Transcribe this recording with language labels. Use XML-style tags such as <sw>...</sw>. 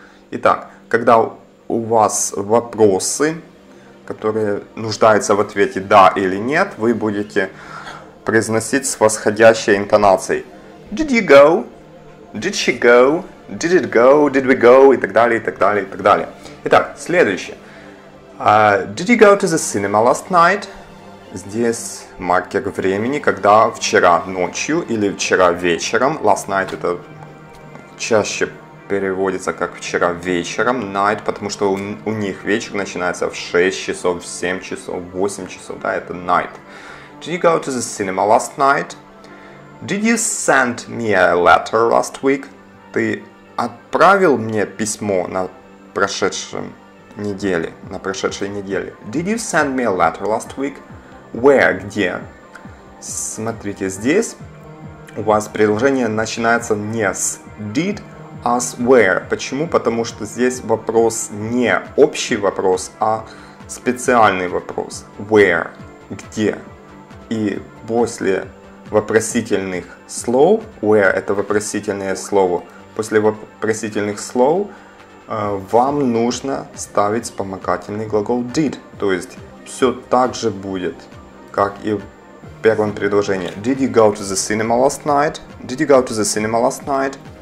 <ru>Итак, когда у вас вопросы, которые нуждаются в ответе «да» или «нет», вы будете произносить с восходящей интонацией.</ru> <en>Did you go? Did she go? Did it go? Did we go?</en> <ru>И так далее, и так далее, и так далее. Итак, следующее.</ru> <en>Did you go to the cinema last night?</en> <ru>Здесь маркер времени, когда вчера ночью или вчера вечером. Last night это чаще переводится как вчера вечером. Night, потому что у них вечер начинается в 6 часов, в 7 часов, в 8 часов. Да, это night.</ru> <en>Did you go to the cinema last night? Did you send me a letter last week?</en> <ru>Ты отправил мне письмо на прошедшем неделе, на прошедшей неделе.</ru> <en>Did you send me a letter last week? Where, где?</en> <ru>Смотрите, здесь у вас предложение начинается не с did, а с where. Почему? Потому что здесь вопрос не общий вопрос, а специальный вопрос. Where, где? И после вопросительных слов, where это вопросительное слово, после вопросительных слов вам нужно ставить вспомогательный глагол did. То есть все так же будет, как и в первом предложении.</ru> <en>Did you go to the cinema last night? Did you go to the cinema last night?</en>